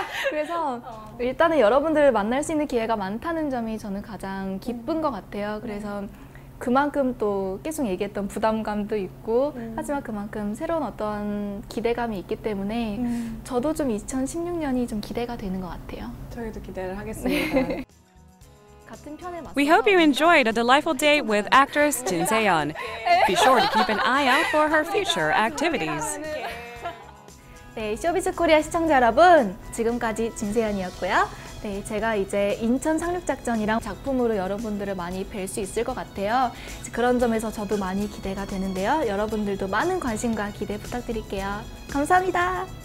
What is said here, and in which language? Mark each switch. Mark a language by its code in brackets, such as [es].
[ko] 그래서 일단은 여러분들을 만날 수 있는 기회가 많다는 점이 저는 가장 기쁜 것 같아요. 그래서 그만큼 또 계속 얘기했던 부담감도 있고 하지만 그만큼 새로운 어떤 기대감이 있기 때문에 저도 좀 2016년이 좀 기대가 되는 것 같아요. 저희도 기대를 하겠습니다. [en] We hope you enjoyed a delightful date with actress Jin Se-yeon. Be sure to keep an eye out for her future activities. [ko] 네, 쇼비즈 코리아 시청자 여러분, 지금까지 진세연이었고요. 네, 제가 이제 인천 상륙작전이랑 작품으로 여러분들을 많이 뵐 수 있을 것 같아요. 그런 점에서 저도 많이 기대가 되는데요. 여러분들도 많은 관심과 기대 부탁드릴게요. 감사합니다.